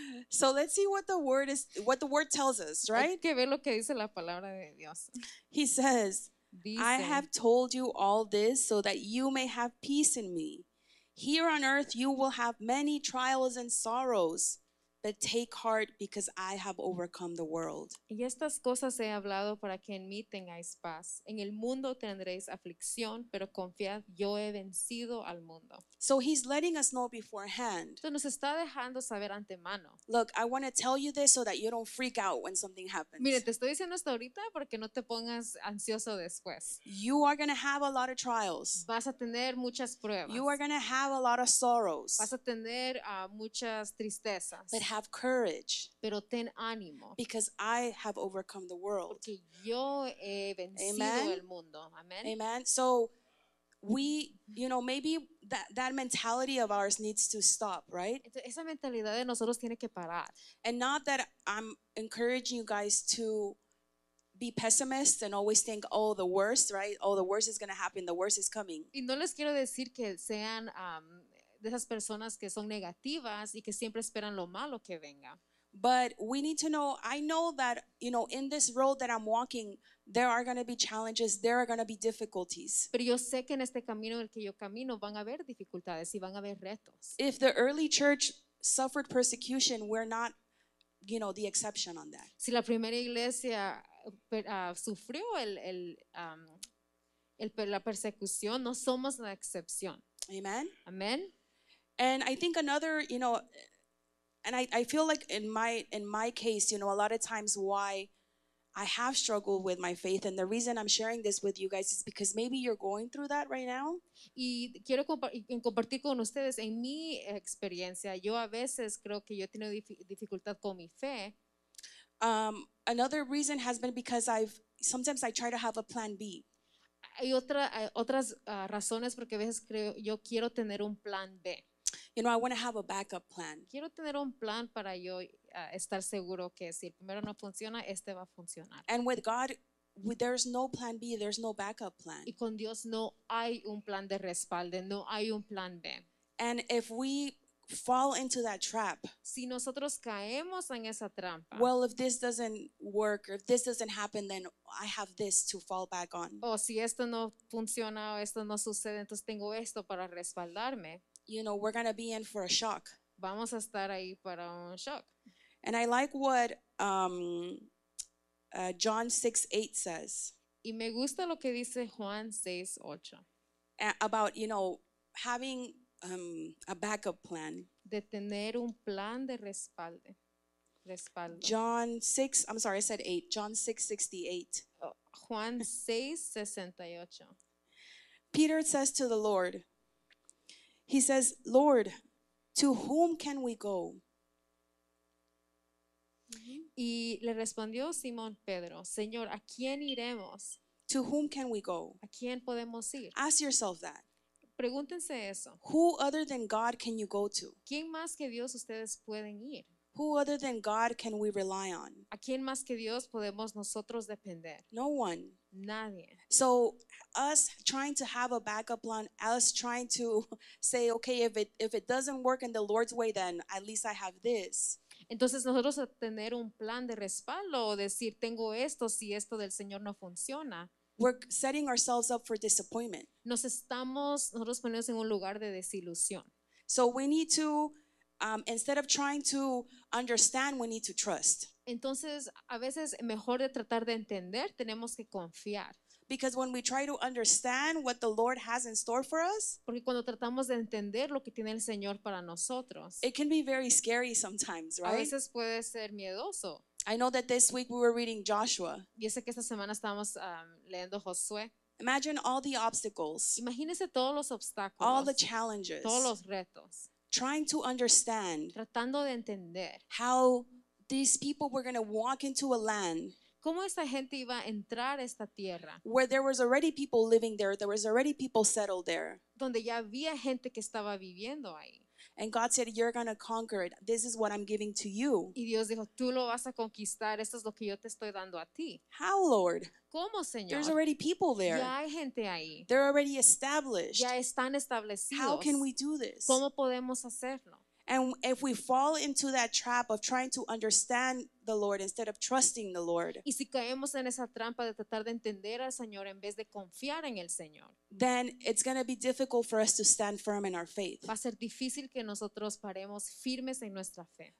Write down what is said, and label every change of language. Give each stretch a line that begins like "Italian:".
English: So let's see what the word is, what the word tells us, right?
Spanish: Hay que ver lo que dice la palabra de Dios.
English: He says, dice, I have told you all this so that you may have peace in me. Here on earth you will have many trials and sorrows, but take heart because I have overcome the world.
Spanish: Y estas cosas he hablado para que en mí tengáis paz. En el mundo tendréis aflicción, pero confiad, yo he vencido al mundo.
English: So he's letting us know beforehand.
Spanish: Entonces nos está dejando saber antemano.
English: Look, I want to tell you this so that you don't freak out when something happens.
Spanish: Mire, te estoy diciendo esto ahorita porque no te pongas ansioso después.
English: You are going to have a lot of trials.
Spanish: Vas a tener muchas pruebas.
English: You are going to have a lot of sorrows.
Spanish: Vas a tener muchas tristezas.
English: But have courage.
Spanish: Pero ten ánimo.
English: Because I have overcome the world.
Spanish: Porque yo he vencido el mundo. Amen. Amen.
English: So we, you know, maybe that mentality of ours needs to stop, right?
Spanish: Esa mentalidad de nosotros tiene que parar.
English: And not that I'm encouraging you guys to be pessimist and always think, oh, the worst, right? Oh, the worst is going to happen. The worst is coming.
Spanish: Y no les quiero decir que sean de esas personas que son negativas y que siempre esperan lo malo que venga.
English: But we need to know, I know that, you know, in this road that I'm walking, there are going to be challenges, there are going to be difficulties.
Spanish: Pero yo sé que en este camino en el que yo camino van a haber dificultades y van a haber retos.
English: If the early church suffered persecution, we're not, you know, the exception on that.
Spanish: Si la primera iglesia sufrió la persecución, no somos la excepción. Amen. Amen.
English: And I think another, you know, And I feel like in my case, you know, a lot of times why I have struggled with my faith, and the reason I'm sharing this with you guys is because maybe you're going through that right now.
Spanish: Y quiero compartir con ustedes en mi experiencia. Yo a veces creo que yo tengo dificultad con mi fe.
English: Another reason has been because sometimes I try to have a plan B.
Spanish: Hay otras razones porque a veces creo yo quiero tener un plan B.
English: You know, I want to have a backup plan.
Spanish: Quiero tener un plan para yo estar seguro que si el primero no funciona, este va a funcionar.
English: And with God, there's no plan B, there's no backup plan.
Spanish: Y con Dios no hay un plan de respaldo, no hay un plan B.
English: And if we fall into that trap,
Spanish: si nosotros caemos en esa trampa,
English: well, if this doesn't work, or if this doesn't happen, then I have this to fall back on.
Spanish: O si esto no funciona o esto no sucede, entonces tengo esto para respaldarme.
English: You know, we're going to be in for a shock.
Spanish: Vamos a estar ahí para un shock.
English: And I like what John 6:8 says.
Spanish: Y me gusta lo que dice Juan 6:8.
English: About, you know, having a backup plan.
Spanish: De tener un plan de respaldo. Respaldo.
English: John 6:68.
Spanish: Juan 6:68.
English: Peter says to the Lord, he says, Lord, to whom can we go?
Spanish: Y le respondió Simón Pedro, Señor, ¿a quién iremos?
English: To whom can we go?
Spanish: ¿A quién podemos ir?
English: Ask yourself that.
Spanish: Pregúntense eso.
English: Who other than God can you go to?
Spanish: ¿Quién más que Dios ustedes pueden ir?
English: Who other than God can we rely on?
Spanish: ¿A quién más que Dios podemos nosotros depender?
English: No one.
Spanish: Nadie.
English: So us trying to have a backup plan, us trying to say, okay, if it doesn't work in the Lord's way, then at least I have this.
Spanish: Entonces nosotros a tener un plan de respaldo o decir tengo esto si esto del Señor no funciona.
English: We're setting ourselves up for disappointment.
Spanish: Nosotros ponemos en un lugar de desilusión.
English: So we need to, instead of trying to understand, we need to trust.
Spanish: Entonces a veces mejor de tratar de entender tenemos que confiar.
English: Because when we try to understand what the Lord has in store for us,
Spanish: porque cuando tratamos de entender lo que tiene el Señor para nosotros,
English: it can be very scary sometimes, right?
Spanish: A veces puede ser miedoso.
English: I know that this week we were reading Joshua.
Spanish: Yo sé que esta semana estábamos leyendo Josué.
English: Imagine all the obstacles.
Spanish: Imagínese todos los obstáculos.
English: All the challenges.
Spanish: Todos los retos.
English: Trying to understand.
Spanish: Tratando de entender.
English: How these people were going to walk into a land.
Spanish: ¿Cómo esta gente iba a entrar a esta tierra?
English: Where there was already people living there, there was already people settled there.
Spanish: Donde ya había gente que estaba viviendo ahí.
English: And God said, you're going to conquer it. This is what I'm giving to you.
Spanish: Y Dios dijo, tú lo vas a conquistar. Esto es lo que yo te estoy dando a ti.
English: How, Lord?
Spanish: ¿Cómo, Señor?
English: There's already people there.
Spanish: Ya hay gente ahí.
English: They're already established.
Spanish: Ya están establecidos.
English: How can we do this?
Spanish: ¿Cómo podemos hacerlo?
English: And if we fall into that trap of trying to understand the Lord instead of trusting the Lord,
Spanish: y si caemos en esa trampa de tratar de entender al Señor en vez de confiar en el Señor,
English: then it's going to be difficult for us to stand firm in our faith.
Spanish: Va a ser difícil que nosotros paremos firmes en nuestra fe.